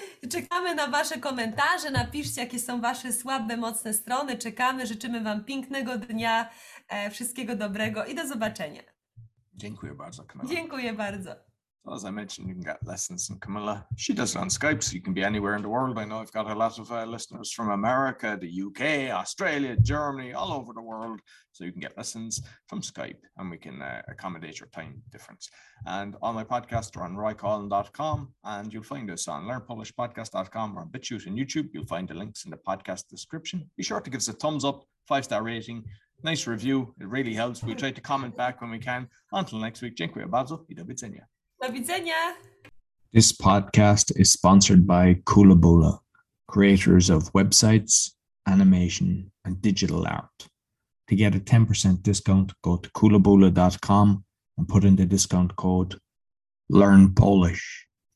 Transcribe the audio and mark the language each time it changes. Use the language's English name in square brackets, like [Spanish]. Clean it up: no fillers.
[Polish] Czekamy na wasze komentarze. Napiszcie, jakie są wasze słabe, mocne strony. Czekamy, życzymy wam pięknego dnia. Wszystkiego dobrego i do zobaczenia. Dziękuję bardzo, Kamila. Dziękuję bardzo. [English] As I mentioned, you can get lessons from Kamila. She does it on Skype, so you can be anywhere in the world. I know I've got a lot of listeners from America, the UK, Australia, Germany, all over the world. So you can get lessons from Skype and we can accommodate your time difference. And all my podcasts are on roycollin.com and you'll find us on learnpolishpodcast.com or on BitChute and YouTube. You'll find the links in the podcast description. Be sure to give us a thumbs up, 5-star rating, nice review. It really helps. We try to comment back when we can. Until next week, [Polish] dziękuję bardzo i do widzenia. [English] This podcast is sponsored by Koolaboola, creators of websites, animation, and digital art. To get a 10% discount, go to koolaboola.com and put in the discount code LearnPolish.